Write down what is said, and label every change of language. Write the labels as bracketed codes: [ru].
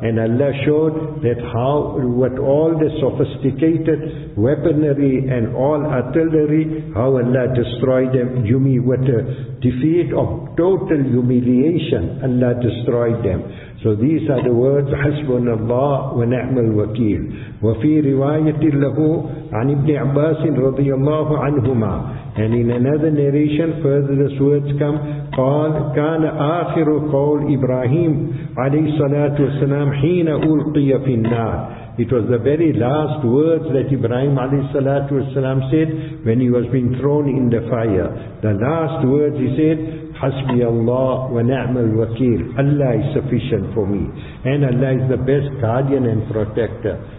[en] And Allah showed that how, what all the sophisticated weaponry and all artillery, how Allah destroyed them. What a defeat of total humiliation. Allah destroyed them. So these are the words, [ar] حَسْبُنَ اللَّهُ وَنَعْمَ الْوَكِيلُ. وَفِي رِوَايَةِ لَهُ عَنِ ابْنِ عَبَّاسٍ رَضِيَ اللَّهُ عَنْهُمَا. [en] And in another narration, further these words come, [ar] قال كان آخر قول إبراهيم عليه الصلاة والسلام حين ألقي في النار. [en] It was the very last words that Ibrahim alayhi salatu wasalam said when he was being thrown in the fire. The last words he said, [ar] حَسْبِيَ اللَّهُ وَنَعْمَ الْوَكِيلُ. [en] Allah is sufficient for me. And Allah is the best guardian and protector.